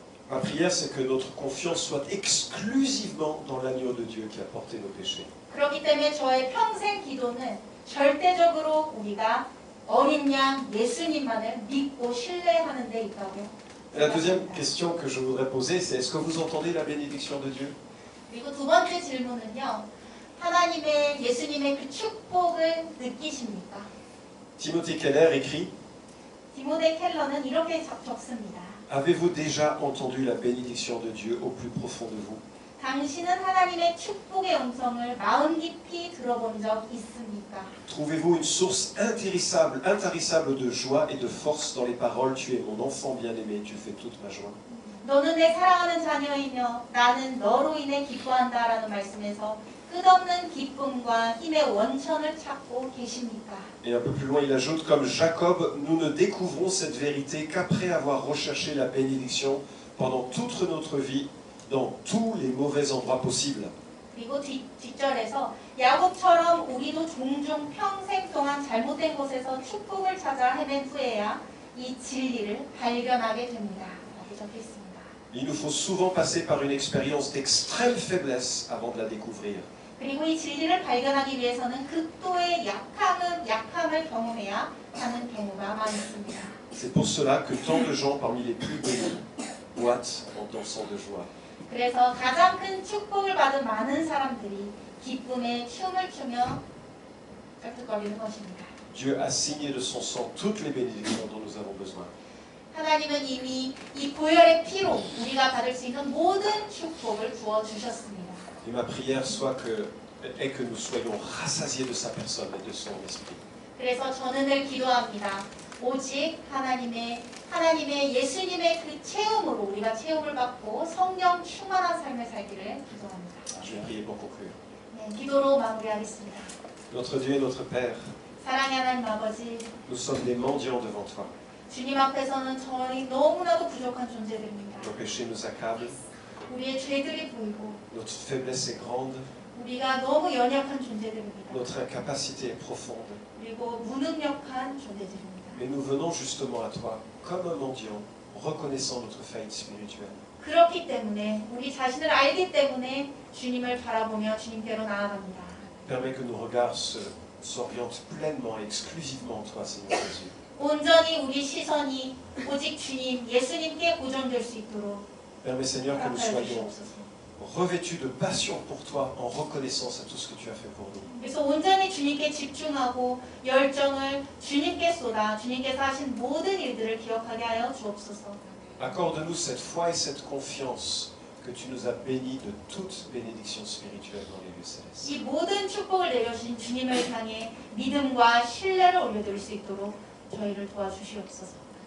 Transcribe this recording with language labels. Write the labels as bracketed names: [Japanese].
[French] Ma prière, c'est que notre confiance soit exclusivement dans l'agneau de Dieu qui a porté nos péchés. [Korean] 그렇기 때문에 저의 평생 기도는 절대적으로 우리가 어린 양 예수님만을 믿고 신뢰하는 데 있다고요. [French] La deuxième question que je voudrais poser, c'est est-ce que vous entendez la bénédiction de Dieu? [Korean] 그리고 두 번째 질문은요. 하나님의 예수님의 그 축복을 느끼십니까? [French] Timothy Keller écrit. [Korean] 디모데 켈러는 이렇게 적습니다. [French] Avez-vous déjà entendu la bénédiction de Dieu au plus profond de vous? [Korean] 당신은 하나님의 축복의 음성을 마음 깊이 들어본 적 있습니까? [French] Trouvez-vous une source intarissable de joie et de force dans les paroles « Tu es mon enfant bien-aimé, tu fais toute ma joie » [Korean] 너는 내 사랑하는 자녀이며 나는 너로 인해 기뻐한다 라는 말씀에서 끝없는 기쁨과 힘의 원천을 찾고 계십니까? [French] Et un peu plus loin, il ajoute « Comme Jacob, nous ne découvrons cette vérité qu'après avoir recherché la bénédiction pendant toute notre vie » dans tous les mauvais endroits possibles. [Korean] 그리고 뒷절에서 야곱처럼 우리도 종종 평생 동안 잘못된 곳에서 축복을 찾아 헤맨 후에야 이 진리를 발견하게 됩니다. 적혀있습니다. [French] Il nous faut souvent passer par une expérience d'extrême faiblesse avant de la découvrir. [Korean] 그리고 이 진리를 발견하기 위해서는 극도의 약함을 경험해야 하는 경우가 많습니다. [French] C'est pour cela que tant de gens parmi les plus bénis boitent en dansant de joie. [Korean] 그래서 가장 큰 축복을 받은 많은 사람들이 기쁨에 춤을 추며 깔뚝거리는 것입니다. [French] Dieu a signé de son sang toutes les bénédictions dont nous avons besoin. [Korean] 하나님은 이미 이 보혈의 피로 우리가 받을 수 있는 모든 축복을 부어 주셨습니다. [French] Et ma prière soit que et que nous soyons rassasiés de sa personne et de son esprit. [Korean] 그래서 저는 늘 기도합니다. 오직 하나님의 예수님의 그 체험으로 우리가 체험을 받고 성령 충만한 삶을 살기를 기도합니다. 네, 기도로 마무리하겠습니다. [French] Notre Dieu et notre Père. [Korean] 사랑의 하나님 아버지. [French] Nous sommes des mendiants devant toi. [Korean] 주님 앞에서는 저희 너무나도 부족한 존재들입니다. [French] Nos péchés nous accablent. [Korean] 우리의 죄들이 보이고. [French] Notre faiblesse est grande. [Korean] 우리가 너무 연약한 존재들입니다. [French] Notre incapacité est profonde. [Korean] 그리고 무능력한 존재들입니다. [French] Mais nous venons justement à toi, comme un mendiant, reconnaissant notre faillite spirituelle. [Korean] 그렇기 때문에 우리 자신을 알기 때문에 주님을 바라보며 주님께로 나아갑니다. [French] Permets que nos regards s'orientent pleinement, exclusivement en toi, Seigneur Jésus. [Korean] 온전히 우리 시선이 오직 주님, 예수님께 고정될 수 있도록. [French] Permets, Seigneur, que nous soyons revêtus de passion pour toi en reconnaissance à tout ce que tu as fait pour nous. [Korean] 그래서 온전히 주님께 집중하고 열정을 주님께 쏟아 주님께서 하신 모든 일들을 기억하게 하여 주옵소서. [French] Accorde-nous cette foi et cette confiance que tu nous as bénis de toute bénédiction spirituelle dans les lieux célestes. [Korean] 이 모든 축복을 내려주신 주님을 향해 믿음과 신뢰를 올려드릴 수 있도록 저희를 도와주시옵소서.